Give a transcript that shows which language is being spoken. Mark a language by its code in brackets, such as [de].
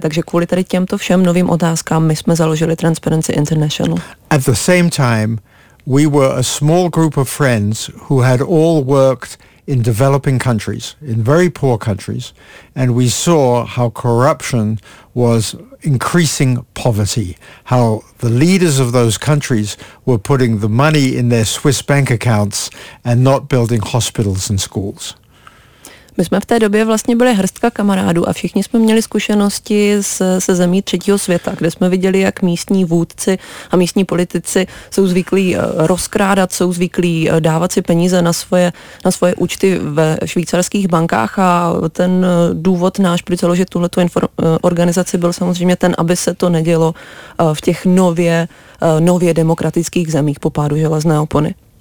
[cs] Takže kvůli tady těmto všem novým otázkám my jsme založili Transparency International. [en] At the same time, we were a small group of friends who had all worked in developing countries, in very poor countries, and we saw how corruption was increasing poverty, how the leaders of those countries were putting the money in their Swiss bank accounts and not building hospitals and schools. [cs] My jsme v té době vlastně byli hrstka kamarádů a všichni jsme měli zkušenosti se zemí třetího světa, kde jsme viděli, jak místní vůdci a místní politici jsou zvyklí rozkrádat, jsou zvyklí dávat si peníze na svoje účty ve švýcarských bankách a ten důvod náš, proč založit tuhletu organizaci, byl samozřejmě ten, aby se to nedělo v těch nově demokratických zemích po pádu železné opony.